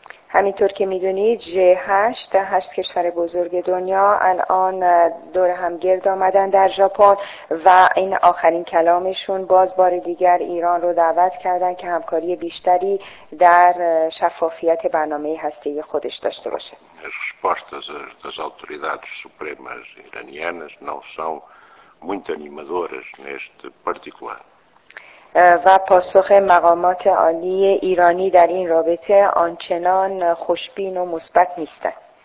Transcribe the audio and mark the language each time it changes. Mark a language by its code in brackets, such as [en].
[fa] همین طور که میدونید جهش در هشت کشور بزرگ دنیا الان دور هم گرد آمدن در ژاپن و این آخرین کلامشون باز بار دیگر ایران رو دعوت کردن که همکاری بیشتری در شفافیت برنامه هسته‌ای خودش داشته باشه. [pt] Respostas das autoridades supremas iranianas não são muito animadoras neste particular. [fa] و پاسخ مقامات عالی ایرانی در این رابطه آنچنان خوشبین و مثبت نیستند.